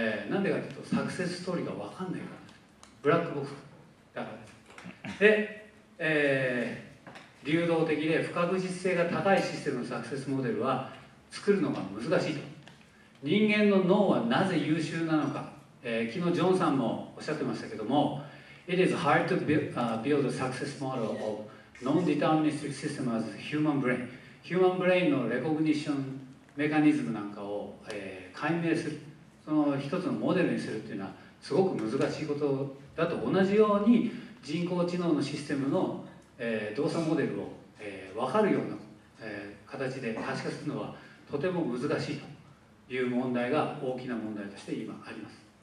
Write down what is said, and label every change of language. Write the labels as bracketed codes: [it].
[ja] なんでかというと、サクセスストーリーが分かんないからです。ブラックボックスだからです。で、流動的で不確実性が高いシステムのサクセスモデルは作るのが難しいと。人間の脳はなぜ優秀なのか。昨日ジョンさんもおっしゃってましたけども、 [en] It is hard to build a success model ofNon-deterministic system as human brain. [ja] Human brain のレコグニションメカニズムなんかを、解明する、その一つのモデルにするっていうのはすごく難しいことだと同じように、人工知能のシステムの、動作モデルを、分かるような、形で可視化するのはとても難しいという問題が大きな問題として今あります。